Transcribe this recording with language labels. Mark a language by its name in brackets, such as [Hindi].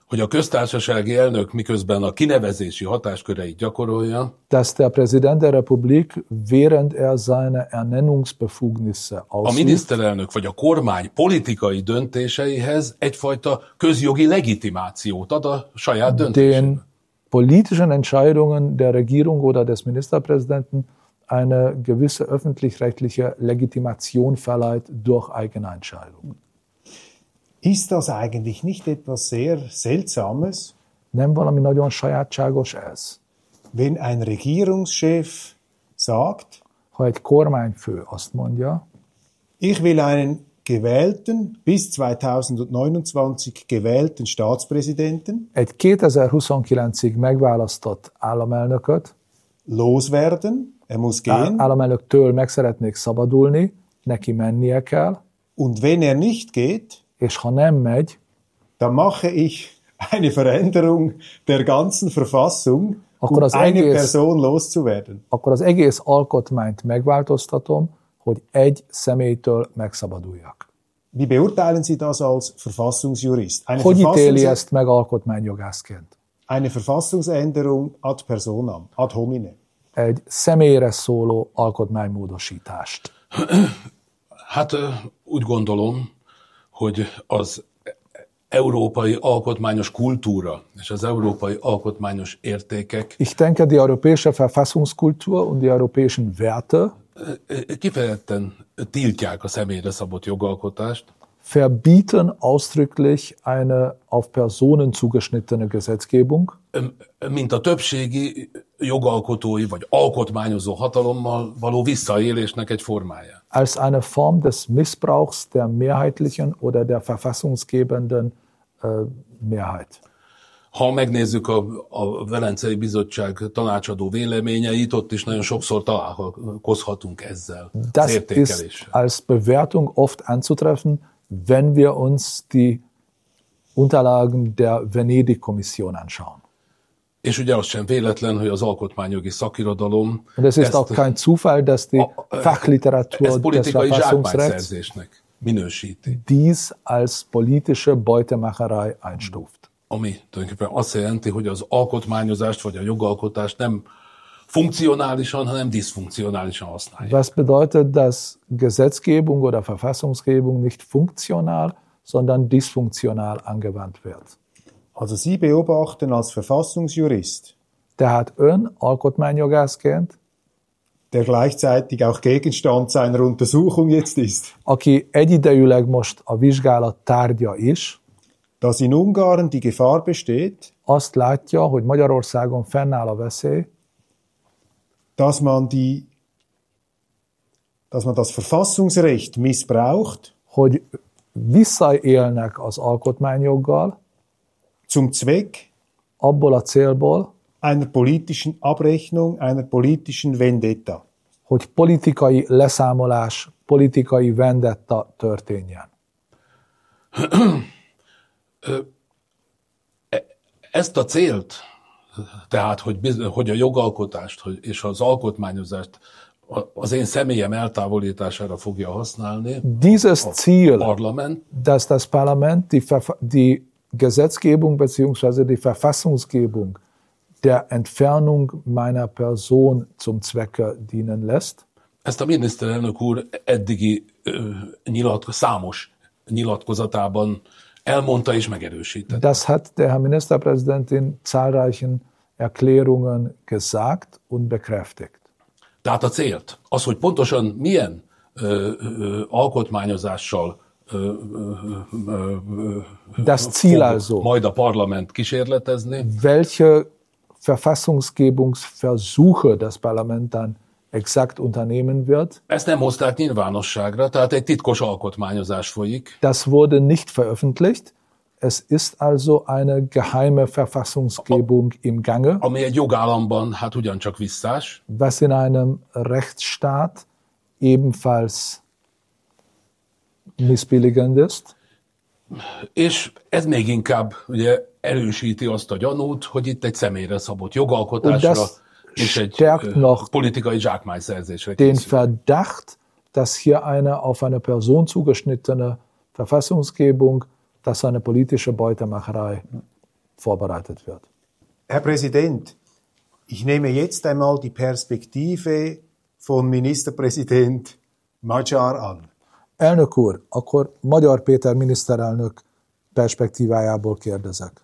[Hungarian] hogy a köztársasági elnök miközben a kinevezési hatásköreit gyakorolja, [German] dass der Präsident der Republik während er seine Ernennungsbefugnisse ausübt, [Hungarian] a miniszterelnök vagy a kormány politikai döntéseihez egyfajta közjogi legitimációt ad a saját döntésében. [German] Den politischen Entscheidungen der Regierung oder des Ministerpräsidenten eine gewisse öffentlich-rechtliche Legitimation verleiht durch eigene Entscheidung. Ist das eigentlich nicht etwas sehr Seltsames? [Hungarian] Nem valami nagyon sajátságos ez. [German] Wenn ein Regierungschef sagt, [Hungarian] ha egy kormányfő azt mondja, [German] ich will einen gewählten, bis 2029 gewählten Staatspräsidenten, [Hungarian] egy 2029-ig megválasztott államelnököt, [German] loswerden, er muss gehen, [Hungarian] államelnöktől meg szeretnék szabadulni, neki mennie kell, [German] und wenn er nicht geht, [Hungarian] és ha nem megy, [German] dann mache ich eine Veränderung der ganzen Verfassung, [Hungarian] akkor az [German] eine [Hungarian] egész, [German] Person loszuwerden. [Hungarian] Akkor az egész alkotmányt megváltoztatom, hogy egy személytől megszabaduljak. [German] Wie beurteilen Sie das als Verfassungsjurist? [Hungarian] Hogy ítéli ezt meg alkotmányjogászként? [German] Eine Verfassungsänderung ad personam, ad homine. [Hungarian] Egy személyre szóló alkotmánymódosítást. Hát úgy gondolom, hogy az európai alkotmányos kultúra és az európai alkotmányos értékek. [German] Ich denke, die europäische Verfassungskultur und die europäischen Werte [Hungarian] kifejezetten tiltják a személyre szabott jogalkotást. [German] Verbieten ausdrücklich eine auf Personen zugeschnittene Gesetzgebung. [Hungarian] Mint a többségi jogalkotói vagy alkotmányozó hatalommal való visszaélésnek egy formája. [German] Als eine Form des Missbrauchs der mehrheitlichen oder der verfassungsgebenden Mehrheit. [Hungarian] Ha megnézzük a Velencei Bizottság tanácsadó véleményeit, ott is nagyon sokszor találkozhatunk ezzel az értékeléssel. [German] Das ist als Bewertung oft anzutreffen, wenn wir uns die Unterlagen der Venedig-Kommission anschauen. [Hungarian] És ugye az sem véletlen, hogy az alkotmányjogi szakirodalom. [German] Und es ist auch kein Zufall, dass die Fachliteratur des Verfassungsrechts [Hungarian] minősíti. [German] Dies als politische Beutemacherei einstuft. [Hungarian] Ami tulajdonképpen azt jelenti, hogy az alkotmányozást vagy a jogalkotást nem funkcionálisan, hanem diszfunkcionálisan használják. [German] Was bedeutet, dass Gesetzgebung oder Verfassungsgebung nicht funktional, sondern dysfunktional angewandt wird? Also Sie beobachten als Verfassungsjurist. [Hungarian] Tehát ön alkotmányjogászként, [German] der gleichzeitig auch Gegenstand seiner Untersuchung jetzt ist. [Hungarian] Aki egyidejűleg most a vizsgálat tárgya is. [German] Dass in Ungarn die Gefahr besteht. [Hungarian] Azt látja, hogy Magyarországon fennáll a veszély. [German] Dass man das Verfassungsrecht missbraucht. [Hungarian] Hogy visszaélnek az alkotmányjoggal. [German] Zum Zweck [Hungarian] abból a célból [German] einer politischen Abrechnung, einer politischen Vendetta. [Hungarian] hogy politikai leszámolás, politikai vendetta történjen? Ezt a célt, tehát, hogy a jogalkotást és az alkotmányozást az én személyem eltávolítására fogja használni. [German] Dieses Ziel, Parlament, dass das Parlament die Gesetzgebung bzw. die Verfassungsgebung der Entfernung meiner Person zum Zwecke dienen lässt. [Hungarian] Ezt a miniszterelnök úr eddigi számos nyilatkozatában elmondta és megerősítette. [German] Das hat der Herr Ministerpräsident in zahlreichen Erklärungen gesagt und bekräftigt. [Hungarian] Tehát a célt, az, hogy pontosan milyen alkotmányozással fog majd a parlament kísérletezni. [German] Welche Verfassungsgebungsversuche das Parlament dann exakt unternehmen wird. [Hungarian] Ezt nem hozták nyilvánosságra, tehát egy titkos alkotmányozás folyik. [German] Das wurde nicht veröffentlicht. Es ist also eine geheime Verfassungsgebung im Gange. [Hungarian] Ami egy jogállamban, hát ugyancsak visszás. [German] Was in einem Rechtsstaat ebenfalls missbilligend ist. [Hungarian] És ez még inkább ugye erősíti azt a gyanút, hogy itt egy személyre szabott jogalkotásra és egy politikai zsákmányszerzésre készül. [German] Den Verdacht, dass hier eine auf eine Person zugeschnittene Verfassungsgebung, dass eine politische Beutemacherei vorbereitet wird. Herr Präsident, ich nehme jetzt einmal die Perspektive von Ministerpräsident Magyar an. [Hungarian] Elnök úr, akkor Magyar Péter miniszterelnök perspektívájából kérdezek.